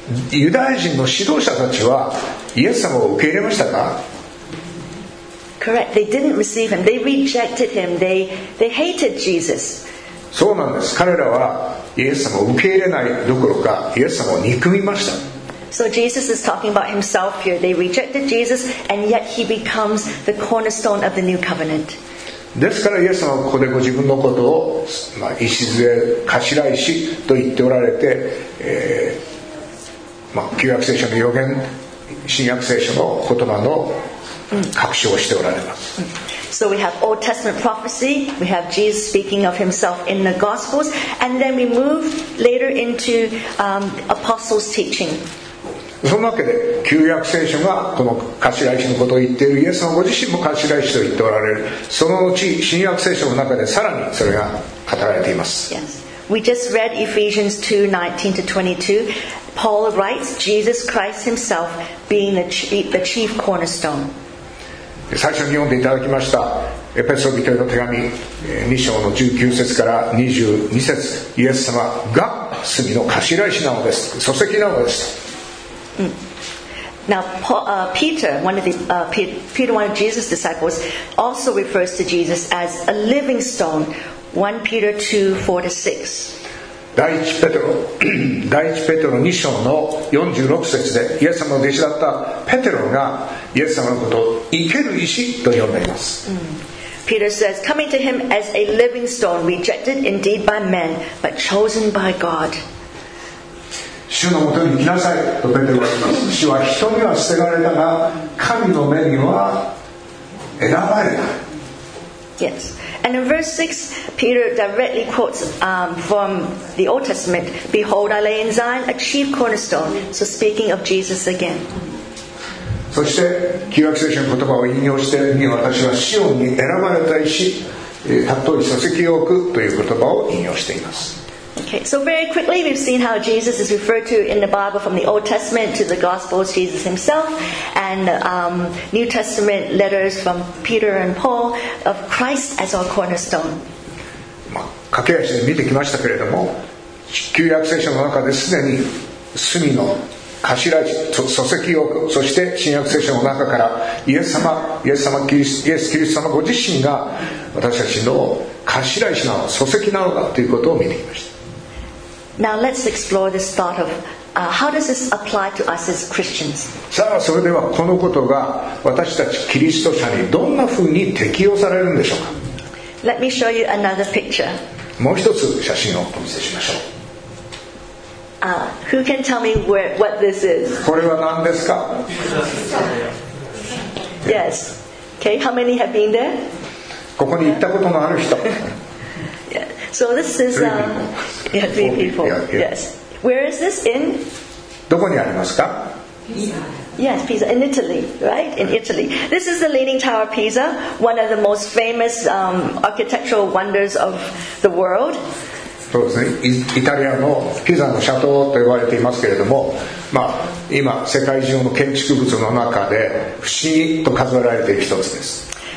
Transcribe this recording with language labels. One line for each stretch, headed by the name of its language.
Japanese: ユダヤ人の指導者たちはイエス様を受け入れましたか。
English: Correct. They didn't receive him. They rejected him. They hated Jesus.
Japanese: そうなんです。彼らはイエス様を受け入れないどころか、イエス様を憎みました。
English: So Jesus is talking about himself here. They rejected Jesus, and yet he becomes the cornerstone of the new covenant.
Japanese: ですからイエス様はここでご自分のことを、石杖、頭石と言っておられて、旧約聖書の予言、新約聖書の言葉の確証をしておられます。
English: So we have Old Testament prophecy, we have Jesus speaking of himself in the Gospels, and then we move later into apostles' teaching.
Japanese: そのわけで旧約聖書がこの頭石のことを言っている、イエス様ご自身も頭石と言っておられる、その後新約聖書の中でさらにそれが語られています。
English: Yes. We just read Ephesians 2:19-22. Paul writes Jesus Christ himself being the chief cornerstone.
Japanese: 最初に読んでいただきましたエペソ人への手紙2章の19節から22節、イエス様が杉の頭石なのです、礎石なのです。
English: Peter, one of Jesus' disciples, also refers to Jesus as a living stone, 1 Peter 2:4-6.
Japanese: 第一ペテロ2章の46節で、イエス様の弟子だったペテロがイエス様のことを生ける石と呼んでいます。 Mm.
English: Peter says, coming to him as a living stone, rejected indeed by men, but chosen by God.
Japanese: 主のもとに来なさいとペテロは言います。主は人には捨てられたが、神の目には選ばれた。
English: Yes. And in verse 6, Peter directly quotes from the Old Testament, Behold, I lay in Zion, a chief cornerstone. So speaking of Jesus again.
Japanese: そして旧約聖書の言葉を引用して、に私はシオンに選ばれた石、たとえ礎石を置くという言葉を引用しています。
English: Okay, so very quickly we've seen how Jesus is referred to in the Bible from the Old Testament to the Gospels, Jesus himself, and New Testament letters from Peter and Paul of Christ as our cornerstone.
Japanese: まあ、駆け足で見てきましたけれども、旧約聖書の中ですでに隅の頭、礎石を、そして新約聖書の中からイエス様キリストのご自身が私たちの頭石なの、礎石なのだということを見てきました。
English: Now let's explore this thought of how does this apply to us as Christians?
Japanese: さあそれではこのことが私たちキリスト者にどんなふうに適用されるんでしょうか?
English: Let me show you another picture.
Japanese: もう一つ写真をお見せしましょう。
English: Who can tell me what this is?
Japanese: これは何ですか?
English: Yes. Okay, how many have been there?
Japanese: ここに行ったことのある人。
English: So this is three people. Yeah, three people. Yes. Where is this in?
Japanese: どこにありますか?
English: Pisa. Yes, Pisa. In Italy, right? In Italy. This is the Leaning Tower of Pisa, one of the most famous architectural wonders of the world.
Japanese: そうですね。イタリアのピザのシャトーと言われていますけれども、まあ今世界中の建築物の中で不思議と数えられている一つです。